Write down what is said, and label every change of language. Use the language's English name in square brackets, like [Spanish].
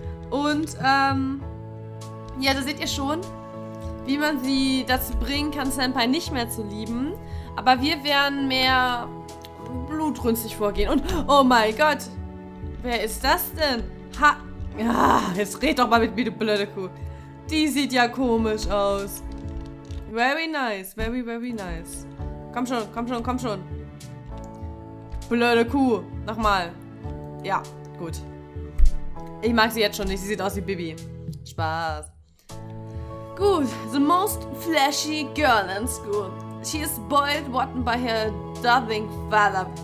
[German] Und, ja, da seht ihr schon, wie man sie dazu bringen kann, Senpai nicht mehr zu lieben. Aber wir werden mehr blutrünstig vorgehen. Und, oh mein Gott, wer ist das denn? Ha, ah, jetzt red doch mal mit mir, du blöde Kuh. Die sieht ja komisch aus. [English] Very nice, very, very nice. [German] Komm schon, komm schon, komm schon. Blöde Kuh, nochmal. Ja, gut. Ich mag sie jetzt schon nicht, sie sieht aus wie Bibi. Spaß. [English] Gut, the most flashy girl in school. She is spoiled rotten by her doting father.